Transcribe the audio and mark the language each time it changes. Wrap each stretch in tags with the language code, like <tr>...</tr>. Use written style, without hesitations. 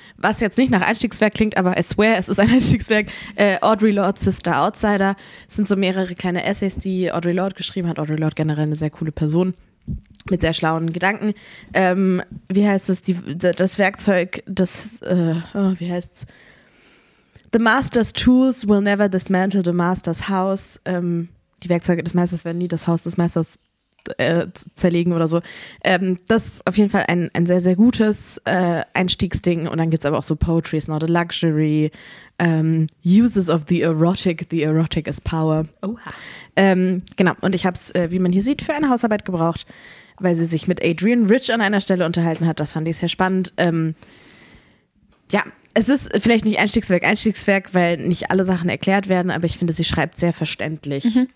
<de>Was jetzt nicht nach Einstiegswerk klingt, aber</de> <en>I swear,</en> <de>es ist ein Einstiegswerk. Audre Lorde, Sister Outsider. Es sind so mehrere kleine Essays, die Audre Lorde geschrieben hat. Audre Lorde generell eine sehr coole Person mit sehr schlauen Gedanken. Wie heißt es? Das Werkzeug, das, wie heißt es?</de> <en>The Master's Tools will never dismantle the Master's House.</en> <de>Die Werkzeuge des Meisters werden nie das Haus des Meisters zerlegen oder so. Das ist auf jeden Fall ein sehr, sehr gutes Einstiegsding. Und dann gibt es aber auch so</de> <en>Poetry is not a luxury. Uses of the erotic is power. Oha.</en> <de>Genau, und ich habe es, wie man hier sieht, für eine Hausarbeit gebraucht, weil sie sich mit Adrienne Rich an einer Stelle unterhalten hat. Das fand ich sehr spannend. Ja, es ist vielleicht nicht Einstiegswerk, weil nicht alle Sachen erklärt werden, aber ich finde, sie schreibt sehr verständlich. Mhm.</de>